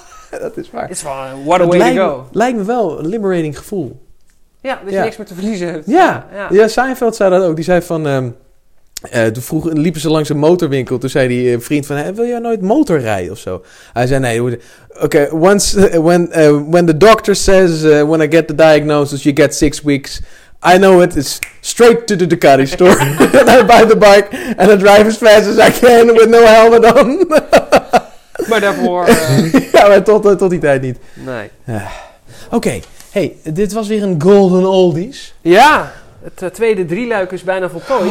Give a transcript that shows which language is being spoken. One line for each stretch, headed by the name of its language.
Dutch: Dat is waar.
English: It's fun. What a way
Dutch: lijkt,
English: to go.
Dutch: Lijkt me wel een liberating gevoel. Ja, dat je niks meer te verliezen hebt. Ja, ja. Ja, Seinfeld zei dat ook. Die zei van... toen vroeg, liepen ze langs een motorwinkel. Toen zei die vriend van... Hey, wil jij nooit motor rijden of zo?
English: Hij zei nee. Oké, okay, once when the doctor says... when I get the diagnosis, you get 6 weeks. I know it is straight to the Ducati store. And I buy the bike. And I drive as fast as I can with no helmet on.
Dutch: Maar daarvoor... ja, maar tot die tijd niet. Nee. Oké. Okay. Hey, dit was weer een golden oldies. Ja. Het tweede drieluik is bijna voltooid.